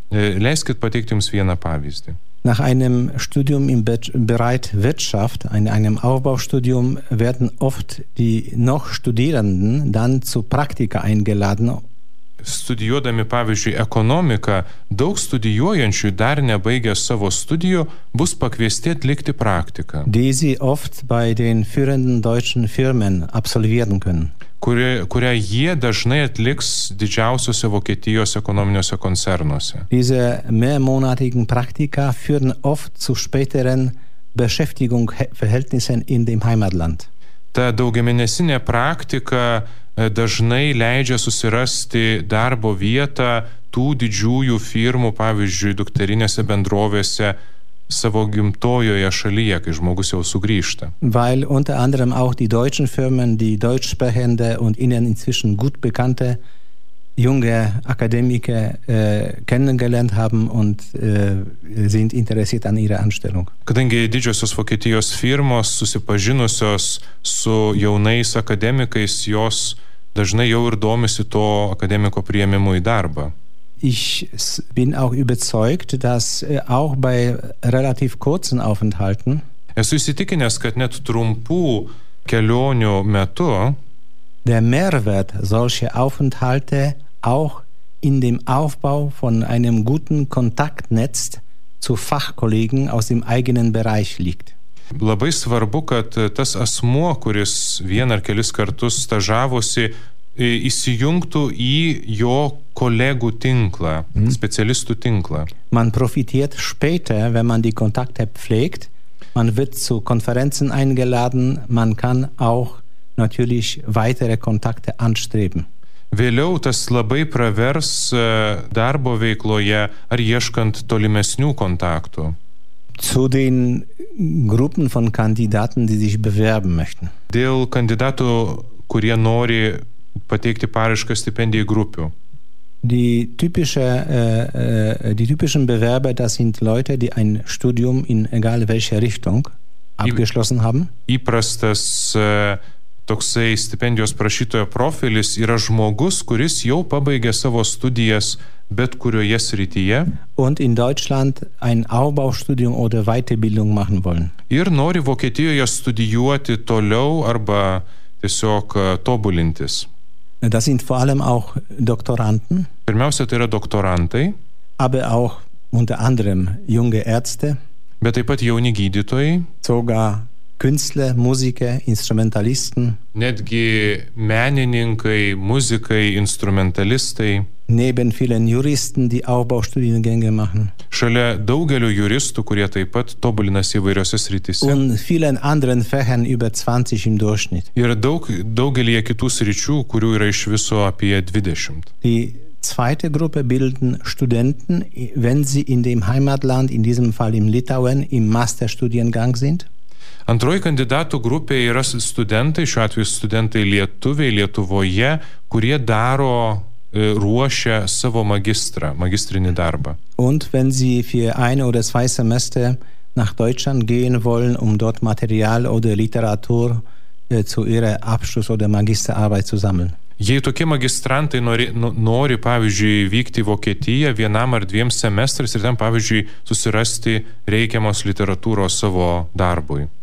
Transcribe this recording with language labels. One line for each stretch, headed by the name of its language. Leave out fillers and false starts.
Lithuanian: Leiskit pateikti jums vieną pavyzdį.
German: Nach einem Studium im Bereich Wirtschaft, in einem Aufbaustudium, werden oft die noch Studierenden dann zu Praktika eingeladen.
Lithuanian: Studijuodami, pavyzdžiui, ekonomiką, daug studijuojančių dar nebaigę savo studijų bus pakviesti atlikti praktiką.
German: Die sie oft bei den führenden deutschen Firmen absolvieren können.
Lithuanian: Kurią jie dažnai atliks didžiausiose Vokietijos ekonominiuose koncernuose.
German: Diese mehrmonatigen Praktika führen oft zu späteren Beschäftigungsverhältnissen in dem Heimatland.
Lithuanian: Ta daugiamėnesinė praktika dažnai leidžia susirasti darbo vietą tų didžiųjų firmų, pavyzdžiui, dukterinėse bendrovėse savo gimtojoje šalyje, kai žmogus jau sugrįžta.
German: Weil unter anderem auch die deutschen Firmen, die deutschsprechende und ihnen inzwischen gut bekannte junge Akademiker kennengelernt haben und sind interessiert an ihrer Anstellung.
Lithuanian: Kadangi didžiosios Vokietijos firmos susipažinusios su jaunais akademikais, jos dažnai jau ir domisi to akademiko priėmimu į darbą.
German: Ich bin auch überzeugt, dass auch bei relativ kurzen Aufenthalten
Lithuanian: esu įsitikinęs, kad net trumpų kelionių metu
German: der Mehrwert solche Aufenthalte auch in dem Aufbau von einem guten Kontaktnetz zu Fachkollegen aus dem eigenen Bereich liegt.
Lithuanian: Labai svarbu, kad tas asmuo, kuris vien ar kelis kartus stažavosi, įsijungtų į jo kolegų tinklą, specialistų tinklą.
German: Man profitiert später, wenn man die Kontakte pflegt, Man wird zu Konferenzen eingeladen, man kann auch natürlich weitere Kontakte anstreben.
Lithuanian: Vėliau tas labai pravers darbo veikloje ar ieškant tolimesnių kontaktų.
German: Zu den Gruppen von Kandidaten, die sich bewerben möchten.
Lithuanian: Dėl kandidatų, kurie nori pateikti paraišką stipendijai grupių.
German: Die typischen Bewerber, das sind Leute, die ein Studium in egal welcher Richtung abgeschlossen haben.
Lithuanian: Įprastas toksai stipendijos prašytojo profilis yra žmogus, kuris jau pabaigė savo studijas bet kurioje srityje.
German: Und in Deutschland ein Aufbaustudium oder Weiterbildung machen wollen.
Lithuanian: Ir nori Vokietijoje studijuoti toliau arba tiesiog tobulintis.
German: Das sind vor allem auch Doktoranden.
Lithuanian: Pirmiausia, tai yra doktorantai.
German: Aber auch unter anderem junge Ärzte.
Lithuanian: Bet taip pat jauni gydytojai.
German: Sogar Künstler, Musiker, Instrumentalisten.
Lithuanian: Netgi menininkai, muzikai, instrumentalistai.
German: Neben vielen Juristen, die Aufbaustudiengänge machen.
Lithuanian: Šalia daugelio juristų, kurie taip pat tobulinasi įvairiose srityse.
German: Und vielen anderen Fächern über 20 im Durchschnitt.
Lithuanian: Ir daugelyje kitų sričių, kurių yra iš viso apie 20.
German: Die zweite Gruppe bilden Studenten, wenn sie in dem Heimatland, in diesem Fall im Litauen, im Masterstudiengang sind.
Lithuanian: Antroji kandidatų grupė yra studentai, šiuo atveju studentai Lietuviai, Lietuvoje, kurie daro ruošia savo magistrą, magistrinį darbą.
German: Und wenn sie für ein oder zwei Semester nach Deutschland gehen wollen, um dort Material oder Literatur zu ihrer Abschluss- oder Magisterarbeit zu sammeln.
Lithuanian: Jei tokie magistrantai nori, pavyzdžiui, vykti į Vokietiją vienam ar dviem semestrais ir ten, pavyzdžiui, susirasti reikiamos literatūros savo darbui.